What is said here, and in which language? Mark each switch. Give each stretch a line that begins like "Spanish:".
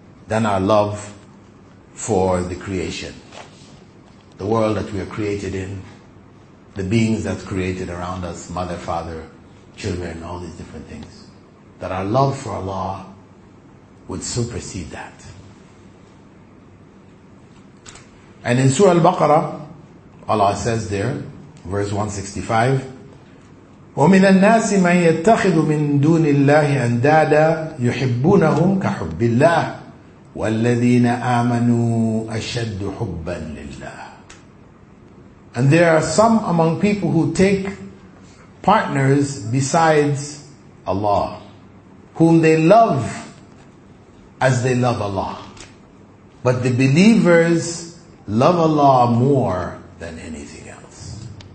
English: than our love for the creation. The world that we are created in, the beings that's created around us, mother, father, children, all these different things. That our love for Allah would supersede that. And in Surah Al-Baqarah, Allah says there, verse 165,
Arabic: وَمِنَ النَّاسِ مَنْ يَتَّخِذُ مِنْ دُونِ اللَّهِ أَنْدَادًا يُحِبُّونَهُمْ كَحُبِّ اللَّهِ وَالَّذِينَ آمَنُوا أَشَدُّ حُبًّا لِلَّهِ.
English: And there are some among people who take partners besides Allah, whom they love as they love Allah. But the believers love Allah more than anything else.